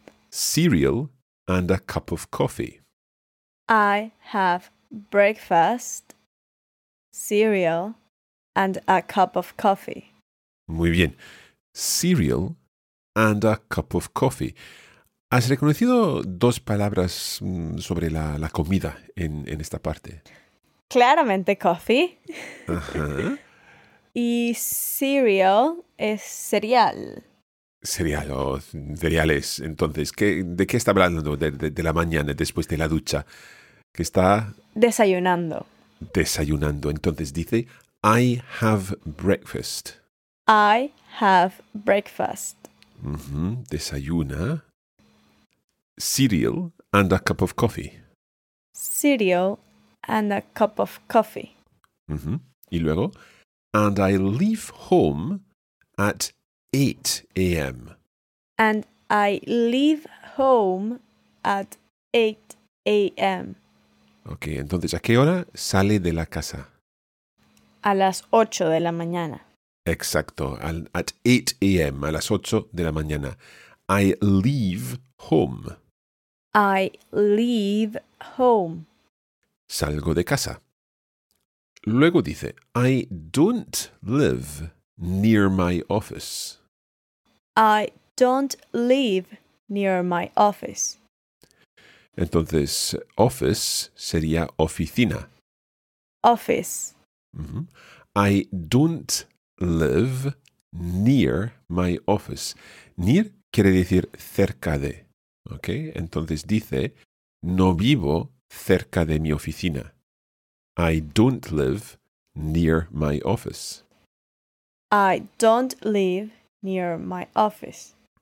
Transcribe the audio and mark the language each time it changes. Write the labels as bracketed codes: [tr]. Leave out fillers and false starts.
[en] cereal and a cup of coffee. I have breakfast, cereal, and a cup of coffee. [es] Muy bien. [en] Cereal and a cup of coffee. [es] ¿Has reconocido dos palabras sobre la comida en esta parte? Claramente coffee. Ajá. Y cereal es cereal. Cereal o cereales. Entonces, ¿de qué está hablando de la mañana después de la ducha? Que está... Desayunando. Desayunando. Entonces dice, [en] I have breakfast. I have breakfast. [es] Uh-huh. Desayuna. [en] Cereal and a cup of coffee. Cereal and a cup of coffee. Uh-huh. [es] Y luego, [en] and I leave home at 8 a.m. And I leave home at 8 a.m. [es] Ok, entonces, ¿a qué hora sale de la casa? A las 8 de la mañana. Exacto, [en] at 8 a.m., [es] a las 8 de la mañana. [en] I leave home. I leave home. [es] Salgo de casa. Luego dice, [en] I don't live near my office. I don't live near my office. [es] Entonces, office sería oficina. [en] Office. Mm-hmm. I don't live near my office. [es] Near quiere decir cerca de. ¿Ok? Entonces dice, no vivo cerca de mi oficina. [en] I don't live near my office. I don't live near my office.